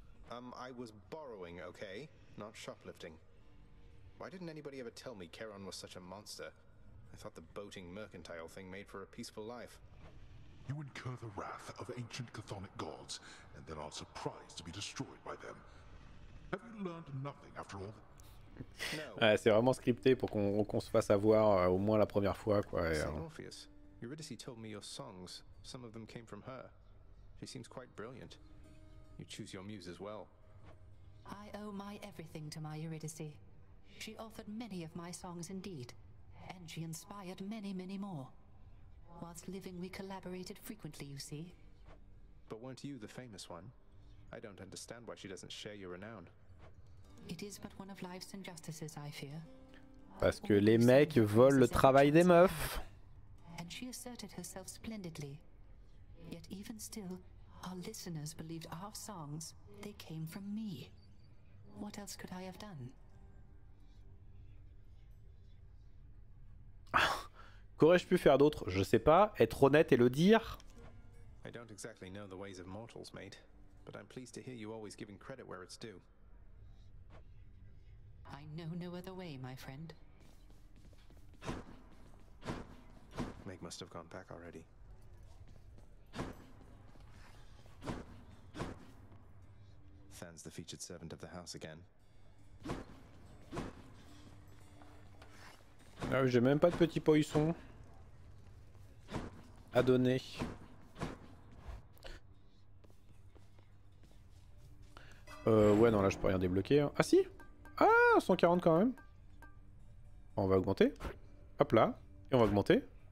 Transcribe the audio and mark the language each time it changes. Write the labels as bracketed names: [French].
[English] I was borrowing, okay? Not shoplifting. Why didn't anybody ever tell me Charon was such a monster? I thought the boating mercantile thing made for a peaceful life. You incur the wrath of ancient Chthonic gods, and then are surprised to be destroyed by them. Have you learned nothing after all? No. [French] Ouais, c'est vraiment scripté pour qu'on se fasse avoir au moins la première fois, quoi. [English] Orpheus, Eurydice told me your songs. Some of them came from her. She seems quite brilliant. You choose your muse as well. I owe my everything to my Eurydice. She authored many of my songs indeed, and she inspired many, many more. Whilst living, we collaborated frequently, you see. But weren't you the famous one? I don't understand why she doesn't share your renown. It is but one of life's injustices, I fear. [French] Parce que les mecs volent le travail des meufs. [English] And she asserted herself splendidly. Yet even still, our listeners believed our songs, they came from me. What else could I have done? [French] Qu'aurais-je pu faire d'autre? Je sais pas, être honnête et le dire. [English] I don't exactly know the ways of mortals, mate, but I'm pleased to hear you always giving credit where it's due. I know no other way, my friend. Meg must have gone back already. Than's the featured servant of the house again. [French] Ah oui, j'ai même pas de petit poisson. À donner. Ouais, non, là, je peux rien débloquer. Ah, si. Ah, 140 quand même. On va augmenter. Hop là. Et on va augmenter.